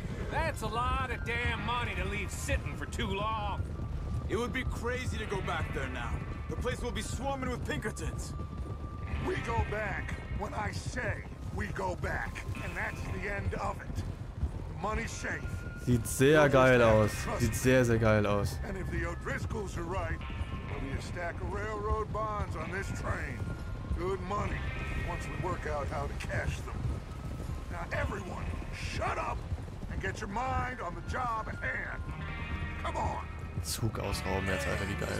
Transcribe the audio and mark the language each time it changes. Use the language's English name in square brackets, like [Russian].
[English] That's a lot of damn money to leave sitting for too long. It would be crazy to go back there now. The place will be swarming with Pinkertons. We go back when I say we go back, and that's the end of it. Money's safe. [German] Sieht sehr geil aus. Sieht sehr, sehr geil aus. [English] And if the O'Driscolls are right, we'll be a a stack of railroad bonds on this train. Good money, once we work out how to cash them. Now everyone, shut up and get your mind on the job at hand. Come on. [German] Zug ausrauben, jetzt Alter, wie geil.